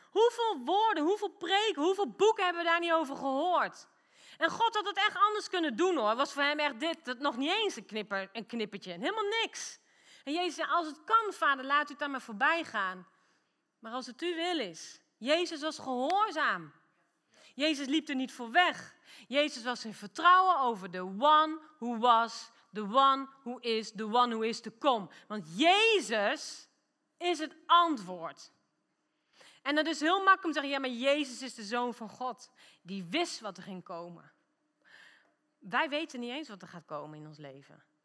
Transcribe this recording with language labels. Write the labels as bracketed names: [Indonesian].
[Dutch] Hoeveel woorden, hoeveel preken, hoeveel boeken hebben we daar niet over gehoord? En God had het echt anders kunnen doen hoor. Was voor hem echt dit, dat nog niet eens een knippertje, helemaal niks. En Jezus zei, als het kan, Vader, laat u het aan mij voorbij gaan. Maar als het uw wil is, Jezus was gehoorzaam. Jezus liep er niet voor weg. Jezus was in vertrouwen over [English] the one who was, the one who is, the one who is to come. [Dutch] Want Jezus is het antwoord. En dat is heel makkelijk om te zeggen, ja, maar Jezus is de Zoon van God. Die wist wat er ging komen. Wij weten niet eens wat er gaat komen in ons leven.